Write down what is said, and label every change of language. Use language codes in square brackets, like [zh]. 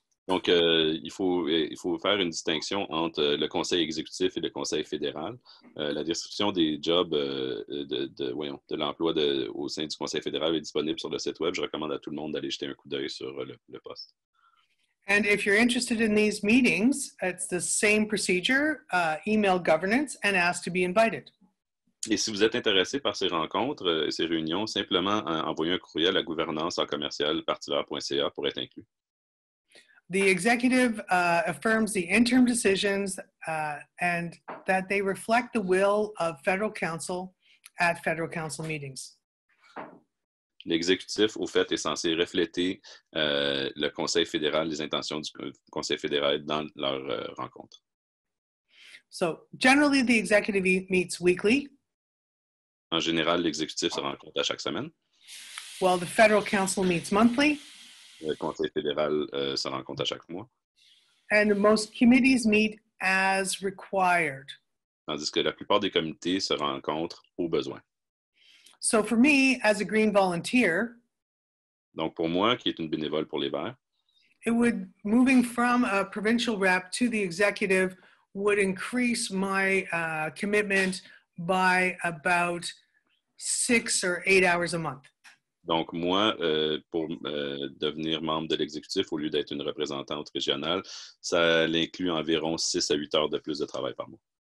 [fr] Donc, il faut faire une distinction entre le conseil exécutif et le conseil fédéral. La description des jobs de l'emploi au sein du conseil fédéral est disponible sur le site web. Je recommande à tout le monde d'aller jeter un coup d'œil sur le poste. [en] And if you're interested in these meetings, it's the same procedure, email governance and ask to be invited. [fr] Et si vous êtes intéressé par ces rencontres, ces réunions, simplement envoyez un courriel à gouvernance@commercialpartiver.ca pour être inclus. [en] The executive affirms the interim decisions and that they reflect the will of federal council at federal council meetings. [fr] L'exécutif, au fait, est censé refléter le conseil fédéral, les intentions du conseil fédéral dans leur rencontre. [en] So, generally, the executive meets weekly. [fr] En général, l'exécutif se rencontre à chaque semaine. [en] Well, the federal council meets monthly. [fr] Le conseil fédéral se rencontre à chaque mois. [en] And most committees meet as required. [fr] Tandis que la plupart des comités se rencontrent au besoin. [en] So for me, as a green volunteer, [fr] donc pour moi, qui est une bénévole pour les Verts, [en] it would, moving from a provincial rep to the executive would increase my commitment by about 6 or 8 hours a month. [fr] Donc moi, pour devenir membre de l'exécutif, au lieu d'être une représentante régionale, ça inclut environ 6 à 8 heures de plus de travail par mois.